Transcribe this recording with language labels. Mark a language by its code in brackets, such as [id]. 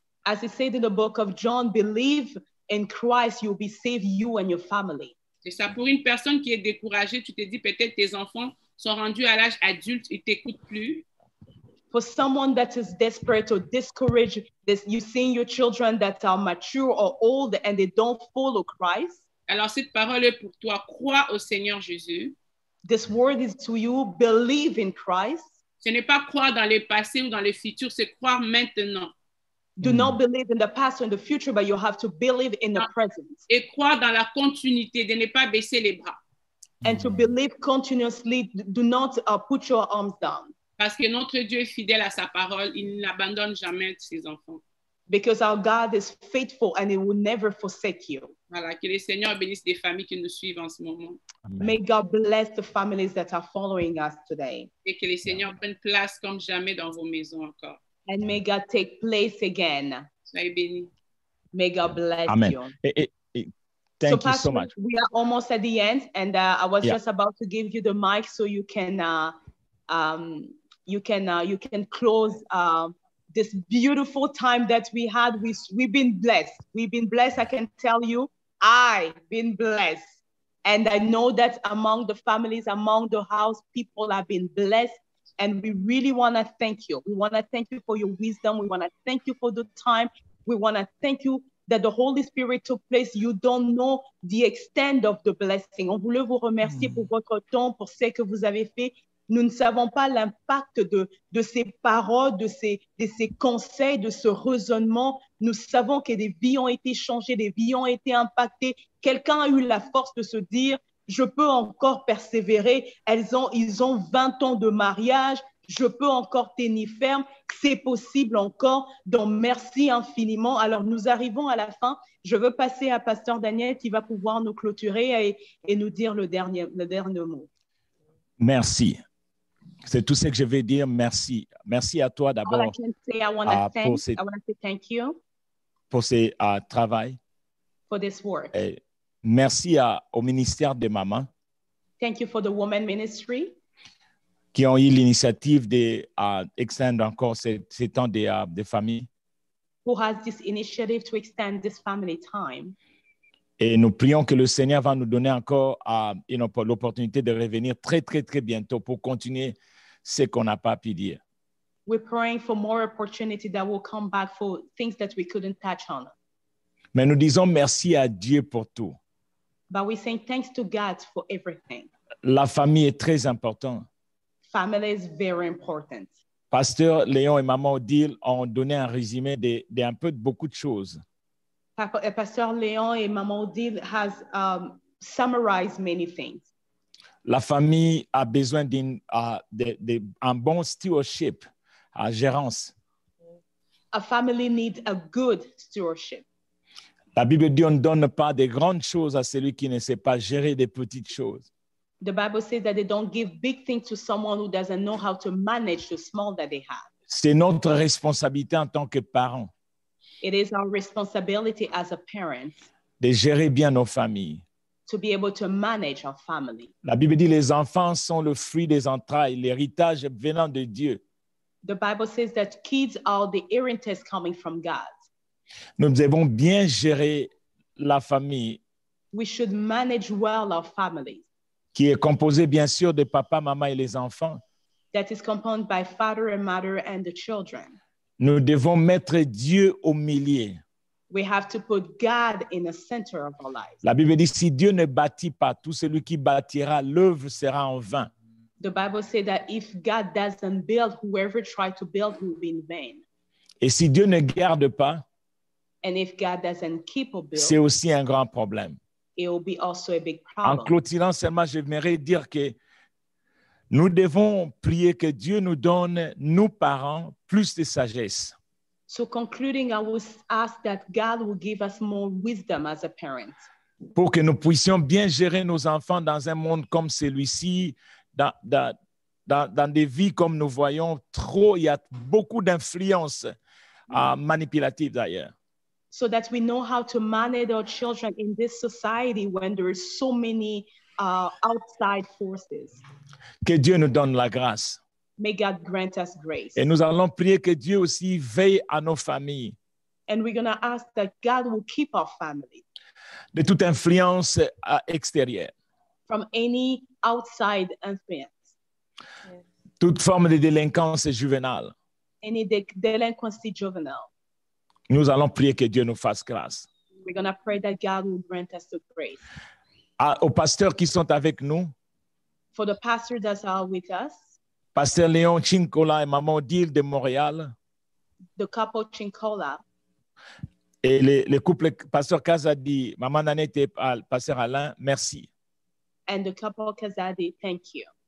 [en] As it said in the book of John, believe in Christ, you'll be saved, you and your family. [fr] C'est ça, pour une personne qui est découragée, tu te dis peut-être tes enfants sont rendus à l'âge adulte, ils ne t'écoutent plus. [en] For someone that is desperate or discouraged, this, you see your children that are mature or old and they don't follow Christ. [fr] Alors cette parole est pour toi, crois au Seigneur Jésus. [en] This word is to you, believe in Christ. [fr] Ce n'est pas croire dans le passé ou dans le futur, c'est croire maintenant. [en] Do not believe in the past or in the future, but you have to believe in the present. [fr] Et croire dans la continuité, de ne pas baisser les bras. [en] And to believe continuously, do not put your arms down. [fr] Parce que notre Dieu est fidèle à sa parole, il n'abandonne jamais ses enfants. [en] Because our God is faithful and he will never forsake you. [fr] Voilà, que le Seigneur bénisse les familles qui nous suivent en ce moment. [en] Amen. May God bless the families that are following us today. [fr] Et que le Seigneur prenne place comme jamais dans vos maisons encore. [en] And may God take place again. [fr] Soyez bénis. [en] May God bless Amen. You. Amen. Thank you so much. We are almost at the end and I was just about to give you the mic so you can close this beautiful time that we had. We've been blessed. We've been blessed, I can tell you. I've been blessed. And I know that among the families, among the house, people have been blessed. And we really want to thank you. We want to thank you for your wisdom. We want to thank you for the time. We want to thank you that the Holy Spirit took place. You don't know the extent of the blessing. [fr] On voulait vous remercier pour votre temps, pour ce que vous avez fait. Nous ne savons pas l'impact de ces paroles, de ces conseils, de ce raisonnement. Nous savons que des vies ont été changées, des vies ont été impactées. Quelqu'un a eu la force de se dire, je peux encore persévérer. Ils ont 20 ans de mariage. Je peux encore tenir ferme. C'est possible encore. Donc, merci infiniment. Alors, nous arrivons à la fin. Je veux passer à Pasteur Daniel qui va pouvoir nous clôturer et nous dire le dernier mot. Merci. C'est tout ce que je vais dire. Merci. Merci à toi d'abord. [en] I want to say thank you for this travail. For this work. [fr] Et merci à, au ministère des mamans. [en] Thank you for the woman ministry. [fr] Qui ont eu l'initiative d'extendre encore ce temps de famille. [en] Who has this initiative to extend this family time. [fr] Et nous prions que le Seigneur va nous donner encore l'opportunité de revenir très, très, très bientôt pour continuer ce qu'on n'a pas pu dire. [en] We're praying for more opportunity that will come back for things that we couldn't touch on. [fr] Mais nous disons merci à Dieu pour tout. [en] But we're saying thanks to God for everything. [fr] La famille est très importante. [en] Family is very important. [fr] Pasteur Léon et Maman Odile ont donné un résumé d'un peu de beaucoup de choses. [en] Pasteur Léon et Maman Odile has summarized many things. [fr] La famille a besoin d'une d'un bon stewardship, à gérance. [en] A family needs a good stewardship. [fr] La Bible dit on ne donne pas de grandes choses à celui qui ne sait pas gérer des petites choses. [en] The Bible says that they don't give big things to someone who doesn't know how to manage the small that they have. [fr] C'est notre responsabilité en tant que parents. [en] It is our responsibility as a parent. [fr] De gérer bien nos familles. [en] To be able to manage our family. [fr] La Bible dit les enfants sont le fruit des entrailles, l'héritage venant de Dieu. [en] The Bible says that kids are the inheritance coming from God. [fr] Nous devons bien gérer la famille. [en] We should manage well our families. [fr] Qui est composé bien sûr de papa, maman et les enfants. [en] That is compounded by father and mother and the children. [fr] Nous devons mettre Dieu au milieu. [en] We have to put God in the center of our lives. [fr] La Bible dit si Dieu ne bâtit pas, tout celui qui bâtira l'œuvre sera en vain. [en] The Bible says that if God doesn't build, whoever tried to build will be in vain. [fr] Et si Dieu ne garde pas, [en] and if God doesn't keep or build, [fr] c'est aussi un grand problème. [en] It will be also a big problem. [fr] En clôturant seulement, j'aimerais dire que nous devons prier que Dieu nous donne, nous parents, plus de sagesse. [en] So concluding, I will ask that God will give us more wisdom as a parent. [fr] Pour que nous puissions bien gérer nos enfants dans un monde comme celui-ci, dans des vies comme nous voyons, trop, il y a beaucoup d'influences manipulatives d'ailleurs. [en] So that we know how to manage our children in this society when there are so many outside forces. [fr] Que Dieu nous donne la grâce. [en] May God grant us grace. [fr] Et nous allons prier que Dieu aussi veille à nos familles. [en] And we're going to ask that God will keep our family. [fr] De toute influence extérieure. [en] From any outside influence. [fr] Toute forme de délinquance juvénile. [en] Any delinquency juvenile. [fr] Nous allons prier que Dieu nous fasse grâce. [en] We're going to pray that God will grant us the grace. [fr] Aux pasteurs qui sont avec nous. [en] For the pastors that are with us. [fr] Pasteur Léon Chincola et Maman Odile de Montréal. [en] The couple Chincola. [fr] Et le couple Pasteur Kazadi, Maman Nanette et Pasteur Alain, merci. [en] And the couple Kazadi, thank you.